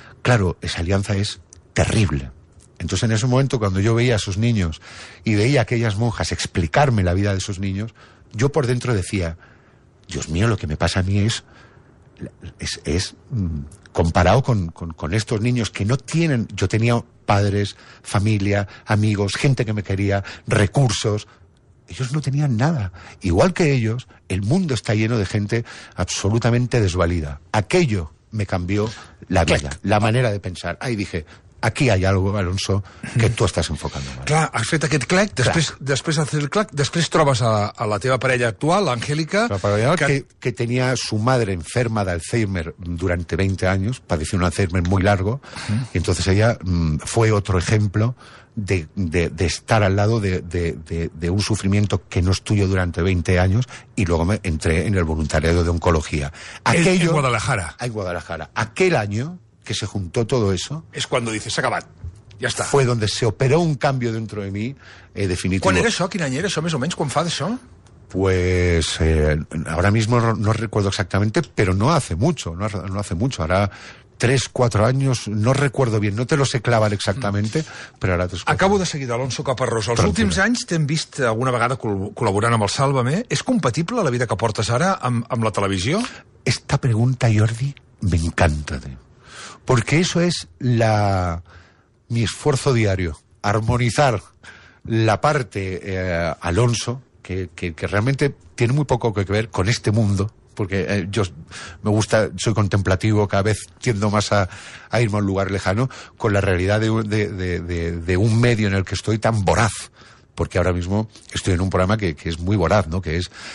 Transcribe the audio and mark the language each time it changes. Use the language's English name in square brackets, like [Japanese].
[Spanish] Claro, esa alianza es terrible. Entonces, en ese momento, cuando yo veía a esos niños y veía a aquellas monjas explicarme la vida de esos niños, yo por dentro decía, Dios mío, lo que me pasa a mí es comparado con estos niños que no tienen... Yo tenía padres, familia, amigos, gente que me quería, recursos. Ellos no tenían nada. Igual que ellos, el mundo está lleno de gente absolutamente desvalida. Aquello me cambió la vida, la manera de pensar. Ahí dije... Aquí hay algo, Alonso, que tú estàs enfocant. ¿Vale? [Catalan] Clar, has fet aquest clac, després has fet el clac, després trobes a la teva parella actual, l'Angélica... [Spanish] La parella que tenia su madre enferma d'Alzheimer durante 20 años, padeció un Alzheimer muy largo, y entonces ella fue otro ejemplo de estar al lado de un sufrimiento que no es tuyo durante 20 años, y luego me entré en el voluntariado de oncología. Aquello, en Guadalajara. En Guadalajara. Aquel año... que se juntó todo eso... Es cuando dices, acabat, ya está. Fue donde se operó un cambio dentro de mí, definitivo. ¿Cuándo era eso? ¿Quién año era eso, más o menos? ¿Cuándo fue eso? Pues ahora mismo no recuerdo exactamente, pero no hace mucho, no hace mucho. Ahora 3-4 años, no recuerdo bien, no te lo sé clavar exactamente, pero ahora 3-4 años. Acabo de seguir, Alonso Caparrós. [Catalan] Els últims anys t'hem vist alguna vegada col·laborant amb el Sálvame. ¿És compatible la vida que portes ara amb la televisió? [Spanish] Esta pregunta, Jordi, me encanta de... Porque eso es mi esfuerzo diario, armonizar la parte Alonso, que realmente tiene muy poco que ver con este mundo, porque yo me gusta, soy contemplativo, cada vez tiendo más a irme a un lugar lejano, con la realidad de un medio en el que estoy tan voraz, porque ahora mismo estoy en un programa que es muy voraz, ¿no? Que es...